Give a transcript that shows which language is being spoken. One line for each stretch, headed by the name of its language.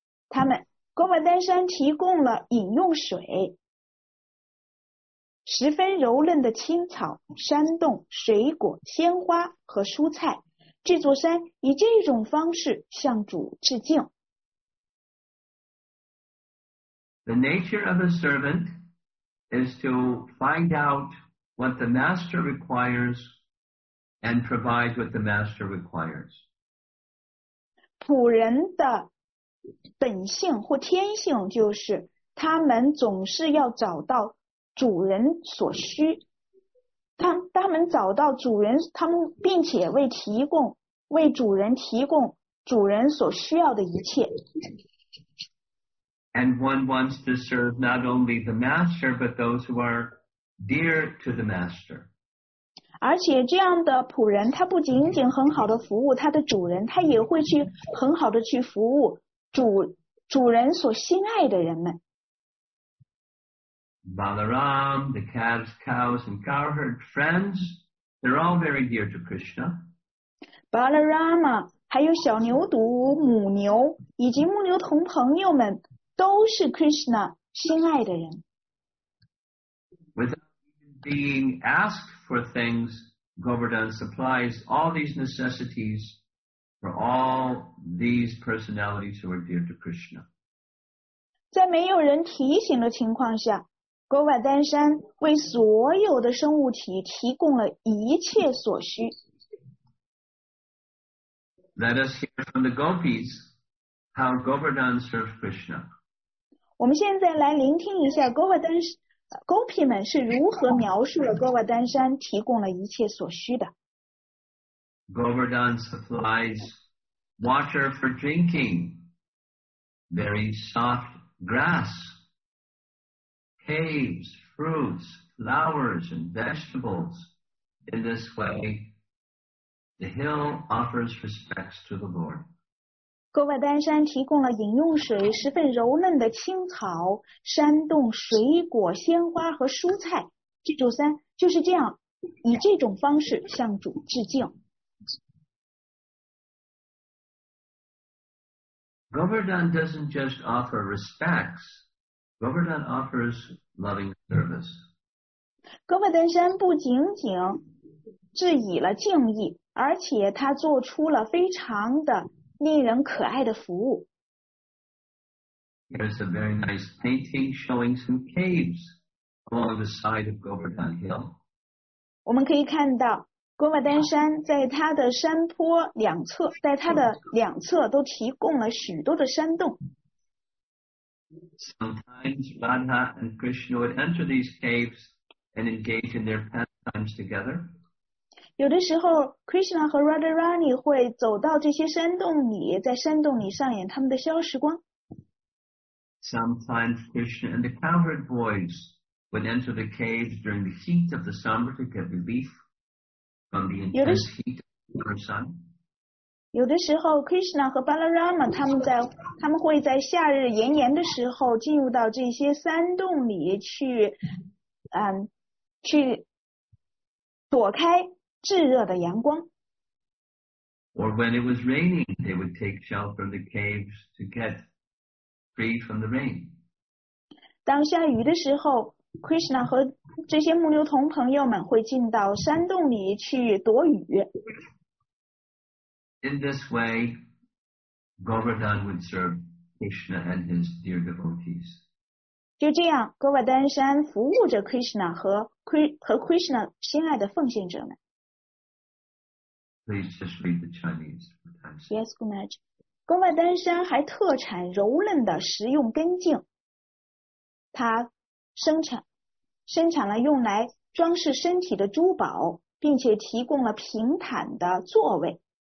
Chinese: 他们, Govardhan Shan 提供了饮用水, 十分柔嫩的青草, 山洞, 水果, 鲜花 和蔬菜, 这座山以这种方式向主致敬。
English: The nature of a servant is to find out what the master requires and provide what the master requires.
Chinese: 仆人的 本性或天性就是他们总是要找到主人所需，他们找到主人，他们并且为主人提供主人所需要的一切。And
English: one wants to serve not only the master but those who are dear to the master.
Chinese: 而且这样的仆人，他不仅仅很好的服务他的主人，他也会去很好的去服务。主人所心爱的人们
English: Balaram, the calves, cows, and cowherd friends, they're all very dear to Krishna.
Chinese: Balarama, 还有小牛犊、母牛, 以及牧牛童朋友们, 都是Krishna心爱的人。
English: Without even being asked for things, Govardhan supplies all these necessities for all these personalities who are dear to Krishna.
Chinese: 在没有人提醒的情况下, Govardhan Shan 为所有的生物体提供了一切所需。
English: Let us hear from the gopis how Govardhan serves Krishna.
Chinese: 我们现在来聆听一下 Govardhan gopi们是如何描述了 Govardhan Shan 提供了一切所需的。
English: Govardhan supplies water for drinking, very soft grass, caves, fruits, flowers, and vegetables. In this way, the hill offers respects to the Lord.
Chinese: Govardhan Shan 提供了饮用水, 十分柔嫩的青草, 山洞, 水果, 鲜花, 和蔬菜, 记住三,就是这样, 以这种方式向主致敬。
English: Govardhan doesn't just offer respects. Govardhan offers loving service.
Chinese: Govardhan Shan 不仅仅致以了敬意, 而且他做出了非常的令人可爱的服务。
English: There's a very nice painting showing some caves along the side of Govardhan Hill.
Chinese: 我们可以看到郭马丹山在它的山坡两侧，在它的两侧都提供了许多的山洞。
English: Sometimes Radha and Krishna would enter these caves and engage in their pastimes together.
Chinese: 有的时候 ，Krishna 和 Radharani 会走到这些山洞里，在山洞里上演他们的消时光。
English: Sometimes Krishna and the cowherd boys would enter the caves during the heat of the summer to get relief from the intense heat of the sun.
Chinese: 有的时候 ，Krishna 和 Balarama 他们会在夏日炎炎的时候进入到这些山洞里去，去躲开炙热的阳光。
English: Or when it was raining, they would take shelter in the caves to get free from the rain.
Chinese: 当下雨的时候 ，Krishna 和这些牧牛童朋友们会进到山洞里去躲雨。
English: In this way, Govardhan would serve Krishna and his dear devotees.
Chinese: 就这样，哥瓦丹山服务着 Krishna 和 Krishna 心爱的奉献者们。
English: Please just read the Chinese for time's sake. Yes, Gumaj.
Chinese: 哥瓦丹山还特产柔嫩的食用根茎，它生产了用来装饰身体的珠宝，并且提供了平坦的座位。